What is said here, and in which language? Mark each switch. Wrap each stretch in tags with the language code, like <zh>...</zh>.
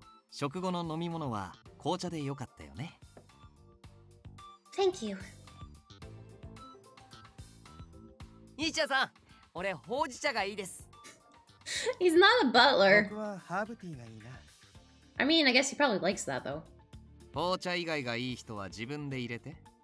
<ja>食後の飲み物は紅茶でよかったよね?</ja> <en>Thank you.</en> <ja>兄ちゃんさん、俺ほうじ茶がいいです。</ja> <en>He's not a butler.</en> <ja>僕はハーブティーがいいな。</ja> <en>I mean, I guess he probably likes that though.</en> <ja>紅茶以外がいい人は自分で入れて。</ja>